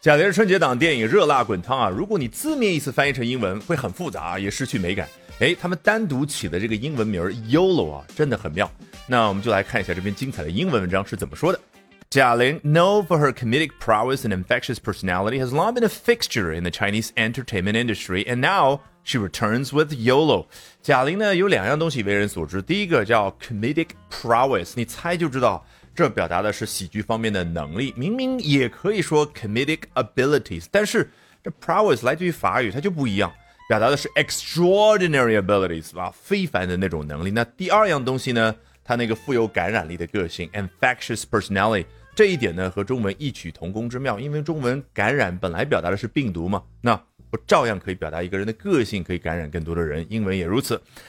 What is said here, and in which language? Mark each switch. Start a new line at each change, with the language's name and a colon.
Chinese: 贾玲春节档电影《热辣滚烫》啊，如果你字面意思翻译成英文，会很复杂，也失去美感。哎，他们单独起的这个英文名 YOLO 啊，真的很妙。那我们就来看一下这篇精彩的英文文章是怎么说的。
English: 贾玲 known for her comedic prowess and infectious personality, has long been a fixture in the Chinese entertainment industry, and now she returns with YOLO.
Chinese: 贾玲呢，有两样东西为人所知，第一个叫 comedic prowess， 你猜就知道。这表达的是喜剧方面的能力，明明也可以说 comedic abilities， 但是这 prowess 来自于法语，它就不一样，表达的是 extraordinary abilities， 啊，非凡的那种能力。那第二样东西呢，它那个富有感染力的个性 infectious personality， 这一点呢和中文异曲同工之妙，因为中文感染本来表达的是病毒嘛，那我照样可以表达一个人的个性可以感染更多的人，英文也如此。